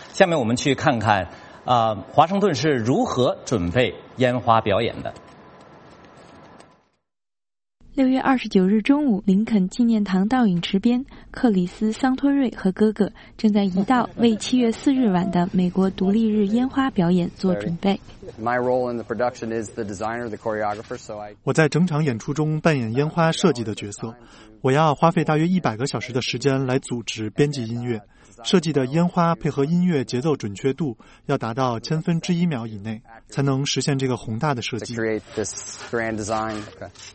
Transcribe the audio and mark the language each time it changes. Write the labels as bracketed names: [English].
[Chinese] 下面我们去看看，华盛顿是如何准备烟花表演的。 6月29日中午，林肯纪念堂倒影池边，克里斯·桑托瑞和哥哥正在一道为7月4日晚的美国独立日烟花表演做准备。 [English] My role in the production is the designer, the choreographer. So I [Chinese] 我在整场演出中扮演烟花设计的角色。我要花费大约100个小时的时间来组织、编辑音乐，设计的烟花配合音乐节奏准确度要达到1/1000秒以内，才能实现这个宏大的设计。 [English] To create this grand design. Okay.